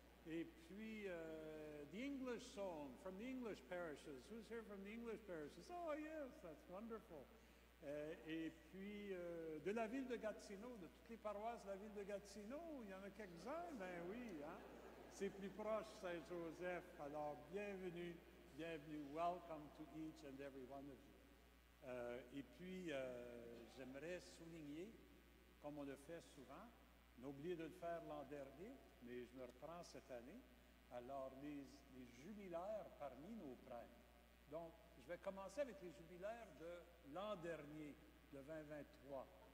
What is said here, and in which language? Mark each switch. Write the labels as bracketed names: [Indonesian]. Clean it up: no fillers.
[French] Et puis, [English] the English song from the English parishes. Who's here from the English parishes? Oh, yes, that's wonderful. [French] Et puis, de la ville de Gatineau, de toutes les paroisses de la ville de Gatineau, il y en a quelques-uns, ben oui, hein? C'est plus proche, Saint-Joseph. Alors, bienvenue, bienvenue, [English] welcome to each and every one of you. [French] Et puis, j'aimerais souligner, comme on le fait souvent, on a oublié de le faire l'an dernier, mais je me reprends cette année, alors les jubilaires parmi nos prêtres. Donc, je vais commencer avec les jubilaires de l'an dernier, de 2023.